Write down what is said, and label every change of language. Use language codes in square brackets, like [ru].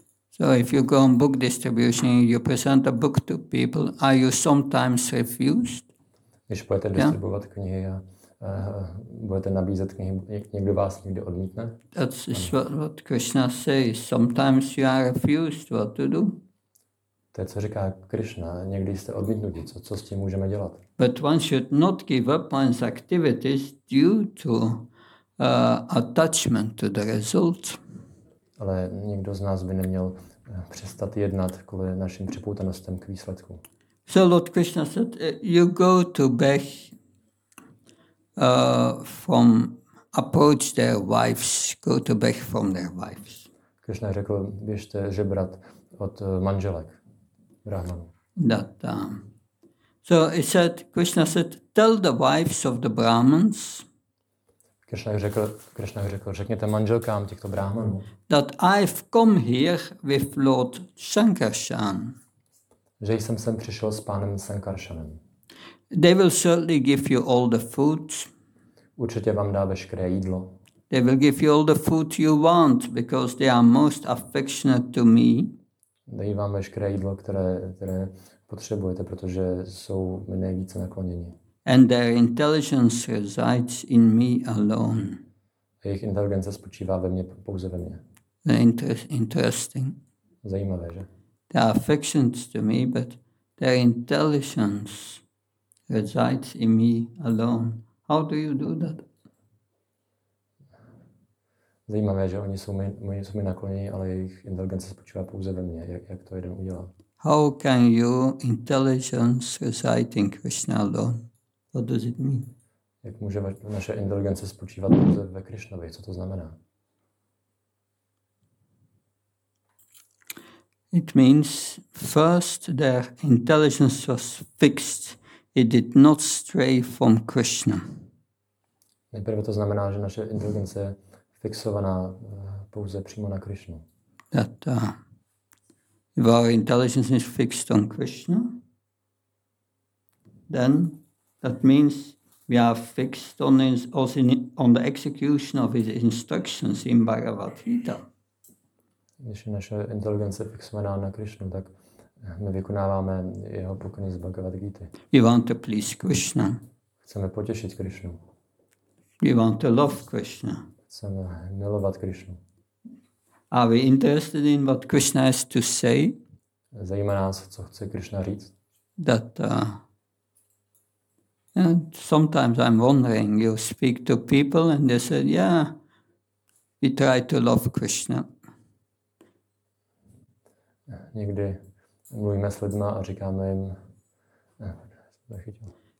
[en] So if you go on book distribution, you present a book to people, are you sometimes refused? [cs] Když budete distribuovat knihy a budete nabízet knihy, někdo vás někdy odmítne? [en] That's what Krishna says. Sometimes you are refused. What to do? [cs] To je, co říká Krishna. Někdy jste odmítnutí. Co s tím můžeme dělat? [en] But one should not give up one's activities due to attachment to the result. [cs] Ale nikdo z nás by neměl přestat jednat kvůli našim připoutanostem k výsledku. [en] So Lord Krishna said, you go to beg from approach their wives, go to beg from their wives. [cs] Krishna řekl, běžte žebrat od manželek Brahmanů. [en] So he said, Krishna said, tell the wives of the Brahmins. [cs] Krishna řekl, řekněte manželkám těchto Brahmanů. [en] That I've come here with Lord Sankarsan. [cs] Že jsem sem přišel s pánem Sankarsanem. [en] They will certainly give you all the food. [cs] Určitě vám dá veškeré jídlo. [en] They will give you all the food you want because they are most affectionate to me. [cs] Dají vám veškeré jídlo, které potřebujete, protože jsou mi nejvíce nakloněni. [en] And their intelligence resides in me alone. [cs] Jejich inteligence spočívá ve mně, pouze ve mně. [en] Interesting. [cs] Zajímavé, že? [en] They are affectionate to me, but their intelligence resides in me alone. How do you do that? [cs] Zajímavé, že oni jsou mi nakloněni, ale jejich inteligence spočívá pouze ve mně. Jak to jeden udělá? [en] How can your intelligence reside in Krishna alone? What does it mean? [cs] Jak může naše inteligence spočívat pouze ve Krishnovi? Co to znamená? [en] It means first their intelligence was fixed. It did not stray from Krishna. [cs] Nejprve to znamená, že naše inteligence je fixovaná pouze přímo na Krishnu. [en] That if our intelligence is fixed on Krishna, then that means we are fixed on his, also in, on the execution of his instructions in Bhagavad Gita. [cs] Když je naše inteligence fixovaná na Krishnu, tak my vykonáváme jeho pokyny z Bhagavad Gita. [en] We want to please Krishna. [cs] Chceme potěšit Krishnu. [en] We want to love Krishna. [cs] Chceme milovat Krishnu. [en] Are we interested in what Krishna has to say? [cs] Zajímá nás, co chce Krishna říct. [en] That and sometimes I'm wondering, you speak to people and they said, yeah, we try to love Krishna. [cs] Někdy mluvíme s lidmi a říkáme jim, nechytil.